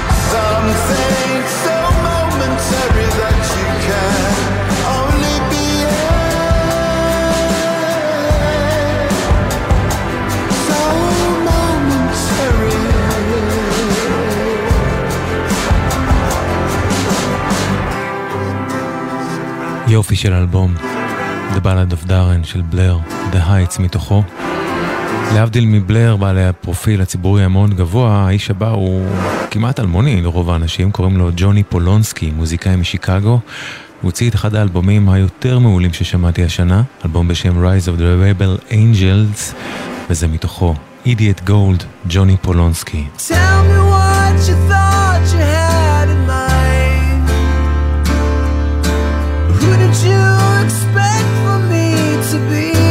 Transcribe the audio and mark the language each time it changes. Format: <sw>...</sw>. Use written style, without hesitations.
<en>Something so momentary that you can only be it. So momentary.</en> <he>יופי של אלבום, The Ballad of Darren של בלר, The Heights מתוכו. להבדיל מבלר, בעלי הפרופיל הציבורי המון גבוה, האיש הבא הוא כמעט אלמוני לרוב האנשים, קוראים לו ג'וני פולונסקי, מוזיקאי משיקגו. הוא הוציא את אחד האלבומים היותר מעולים ששמעתי השנה, אלבום בשם Rise of the Rebel Angels, וזה מתוכו, Idiot Gold, ג'וני פולונסקי.</he> <en>Tell me what you thought you had in mind. Who did you expect for me to be?</en>